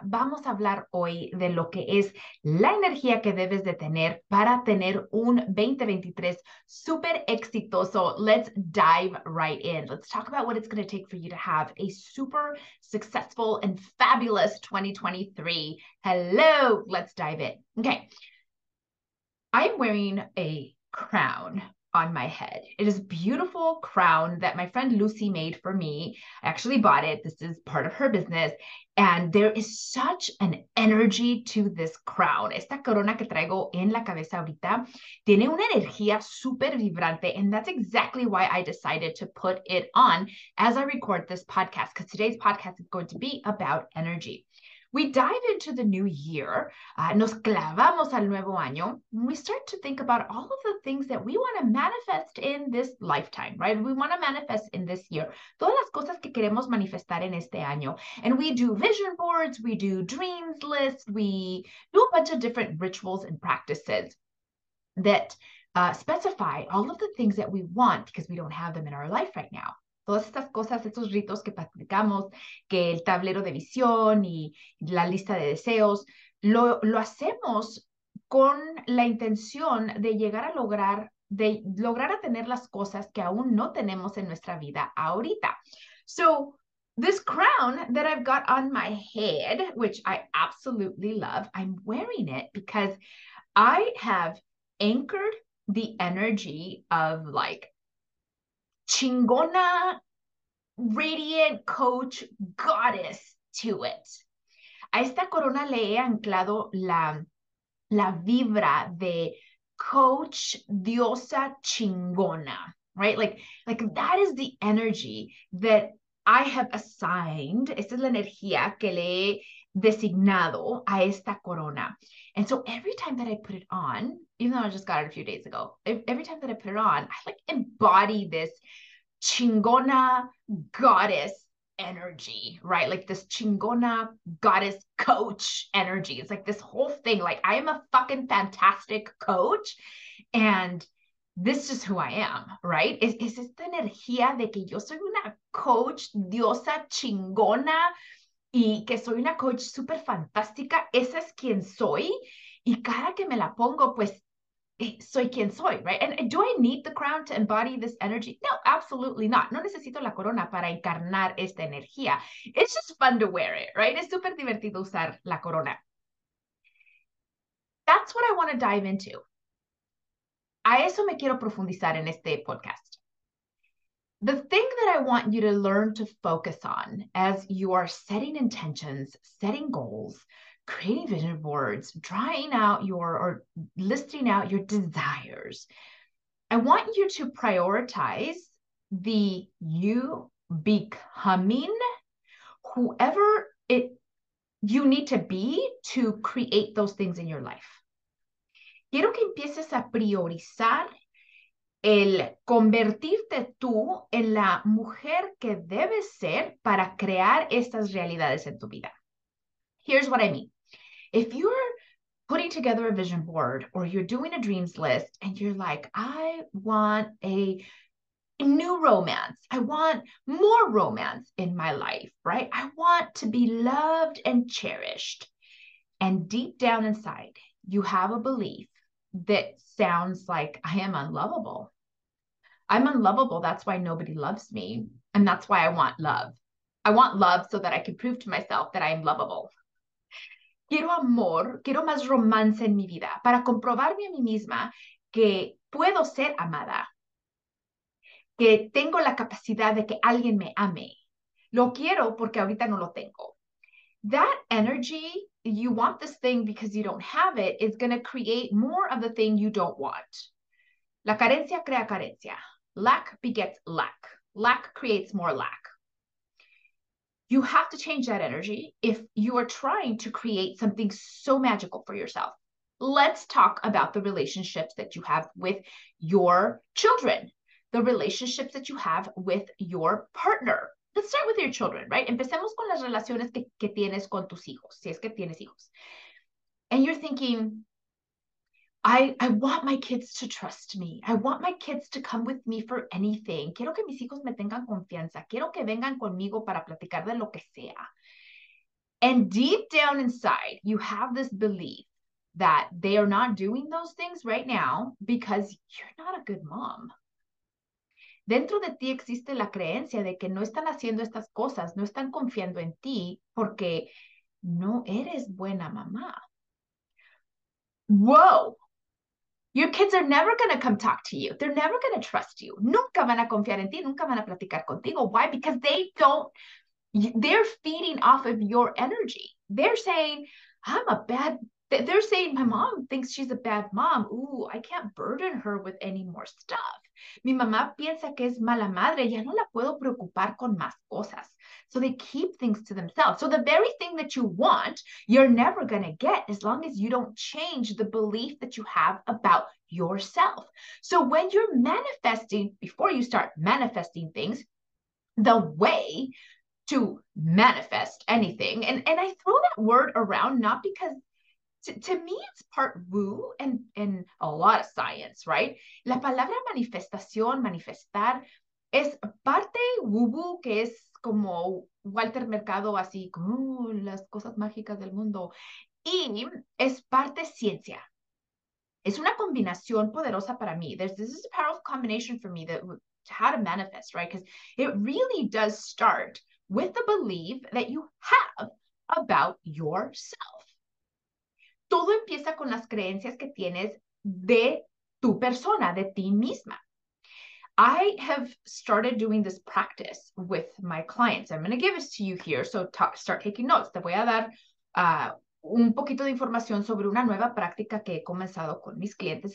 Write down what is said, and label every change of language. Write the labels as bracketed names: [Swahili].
[Spanish] Vamos a hablar hoy de lo que es la energía que debes de tener para tener un 2023 súper exitoso. [English] Let's dive right in. Let's talk about what it's going to take for you to have a super successful and fabulous 2023. Hello, let's dive in. Okay. I'm wearing a crown on my head. It is a beautiful crown that my friend Lucy made for me. I actually bought it. This is part of her business. And there is such an energy to this crown. [Spanish] Esta corona que traigo en la cabeza ahorita tiene una energía súper vibrante. [English] And that's exactly why I decided to put it on as I record this podcast, because today's podcast is going to be about energy. We dive into the new year, [Spanish] nos clavamos al nuevo año, [English] and we start to think about all of the things that we want to manifest in this lifetime, right? We want to manifest in this year, [Spanish] todas las cosas que queremos manifestar en este año. [English] And we do vision boards, we do dreams lists, we do a bunch of different rituals and practices that specify all of the things that we want because we don't have them in our life right now. [Spanish] Todas estas cosas, estos ritos que practicamos, que el tablero de visión y la lista de deseos, lo hacemos con la intención de llegar a lograr, de lograr a tener las cosas que aún no tenemos en nuestra vida ahorita. [English] So, this crown that I've got on my head, which I absolutely love, I'm wearing it because I have anchored the energy of like, chingona, radiant coach, goddess to it. [Spanish] A esta corona le he anclado la vibra de coach, diosa, chingona, [English] right? Like that is the energy that I have assigned. [Spanish] Esta es la energía que le he designado a esta corona. [English] And so every time that I put it on, even though I just got it a few days ago, every time that I put it on, I like embody this chingona goddess energy, right? Like this chingona goddess coach energy. It's like this whole thing. Like I am a fucking fantastic coach, and this is who I am, right? [Spanish] Es esta energía de que yo soy una coach diosa chingona y que soy una coach súper fantástica. Esa es quien soy. Y cada que me la pongo, pues soy quien soy, [English] right? And do I need the crown to embody this energy? No, absolutely not. [Spanish] No necesito la corona para encarnar esta energía. [English] It's just fun to wear it, right? [Spanish] Es súper divertido usar la corona. [English] That's what I want to dive into. [Spanish] A eso me quiero profundizar en este podcast. [English] The thing that I want you to learn to focus on as you are setting intentions, setting goals, creating vision boards, drawing out your or listing out your desires. I want you to prioritize the you becoming whoever it you need to be to create those things in your life. Quiero que empieces a priorizar el convertirte tú en la mujer que debes ser para crear estas realidades en tu vida. Here's what I mean. If you're putting together a vision board or you're doing a dreams list and you're like, I want a new romance. I want more romance in my life, right? I want to be loved and cherished. And deep down inside, you have a belief that sounds like I am unlovable. I'm unlovable. That's why nobody loves me. And that's why I want love. I want love so that I can prove to myself that I am lovable. [Spanish] Quiero amor, quiero más romance en mi vida para comprobarme a mí misma que puedo ser amada, que tengo la capacidad de que alguien me ame. Lo quiero porque ahorita no lo tengo. [English] That energy, you want this thing because you don't have it, is going to create more of the thing you don't want. [Spanish] La carencia crea carencia. [English] Lack begets lack. Lack creates more lack. You have to change that energy if you are trying to create something so magical for yourself. Let's talk about the relationships that you have with your children, the relationships that you have with your partner. Let's start with your children, right? [Spanish] Empecemos con las relaciones que tienes con tus hijos, si es que tienes hijos. [English] And you're thinking, I want my kids to trust me. I want my kids to come with me for anything. [Spanish] Quiero que mis hijos me tengan confianza. Quiero que vengan conmigo para platicar de lo que sea. [English] And deep down inside, you have this belief that they are not doing those things right now because you're not a good mom. [Spanish] Dentro de ti existe la creencia de que no están haciendo estas cosas, no están confiando en ti porque no eres buena mamá. [English] Whoa! Your kids are never going to come talk to you. They're never going to trust you. [Spanish] Nunca van a confiar en ti, nunca van a platicar contigo. [English] Why? Because they don't, they're feeding off of your energy. They're saying, I'm a bad, they're saying, my mom thinks she's a bad mom. Ooh, I can't burden her with any more stuff. [Spanish] Mi mamá piensa que es mala madre. Ya no la puedo preocupar con más cosas. [English] So they keep things to themselves. So the very thing that you want, you're never going to get as long as you don't change the belief that you have about yourself. So when you're manifesting, before you start manifesting things, the way to manifest anything, and I throw that word around not because to me, it's part woo and a lot of science, right? [Spanish] La palabra manifestación, manifestar, es parte woo-woo, que es como Walter Mercado, así, las cosas mágicas del mundo. Y es parte ciencia. Es una combinación poderosa para mí. [English] This is a powerful combination for me, that how to manifest, right? Because it really does start with the belief that you have about yourself. [Spanish] Todo empieza con las creencias que tienes de tu persona, de ti misma. [English] I have started doing this practice with my clients. I'm going to give this to you here, so start taking notes. [Spanish] Te voy a dar un poquito de información sobre una nueva práctica que he comenzado con mis clientes.